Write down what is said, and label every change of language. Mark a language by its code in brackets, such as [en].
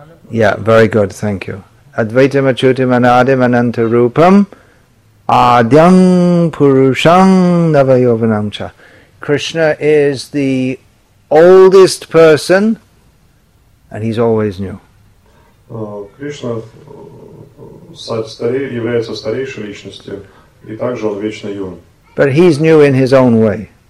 [en] Yeah, very good, thank you. [sa] Advaitam achyutam anadim ananta rupam adyam purusham navayovanam cha. [en] Krishna is the oldest person and he's always new. [ru] Krishna является старейшей личностью и также он вечно юн. [en] But he's new in his own way.